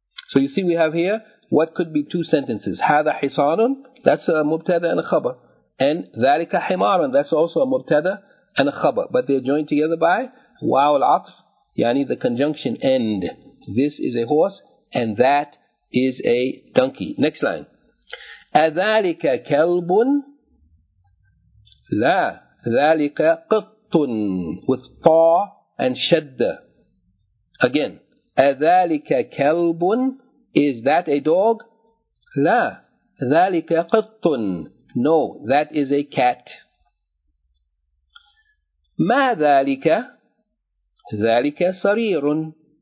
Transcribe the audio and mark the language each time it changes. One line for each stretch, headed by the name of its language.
English: So you see we have here what could be two sentences.
Arabic: هذا حصان.
English: That's a مبتدأ and a خبر. And
Arabic: ذلك حمار,
English: that's also a مبتدأ and a خبر. But they're joined together by واو العطف, yani the conjunction end. This is a horse, and that is a donkey. Next line.
Arabic: أذلك كلب؟ لا, ذلك قط, with طاء and شدة.
English: Again,
Arabic: أذلك كلب؟
English: Is that a dog?
Arabic: لا, ذلك قط.
English: No, that is a cat.
Arabic: ما ذلك؟ ذلك سرير.